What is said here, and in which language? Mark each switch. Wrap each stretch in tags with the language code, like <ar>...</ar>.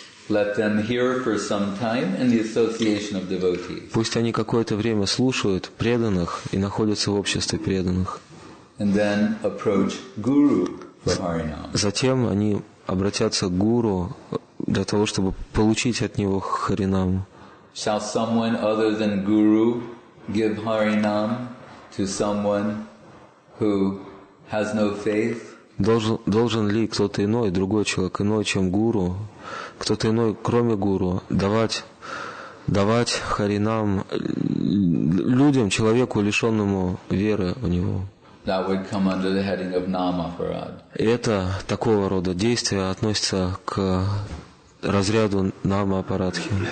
<en>Let them hear for some time in the association of devotees.</en> <ru>Пусть они какое-то время слушают преданных и находятся в обществе преданных.</ru> <en>And then approach guru for harinam.</en> <ru>Затем они обратятся к гуру для того, чтобы получить от него харинам.</ru> <en>Shall someone other than guru give harinam to someone who has no faith?</en> <ru>Должен ли кто-то иной, другой человек, иной, чем гуру, кто-то иной, кроме гуру, давать харинам людям, человеку, лишенному веры в него?</ru> <en>That would come under the heading of namaparad.</en> <ru>Это такого рода действия относится к разряду намапарадхи.</ru>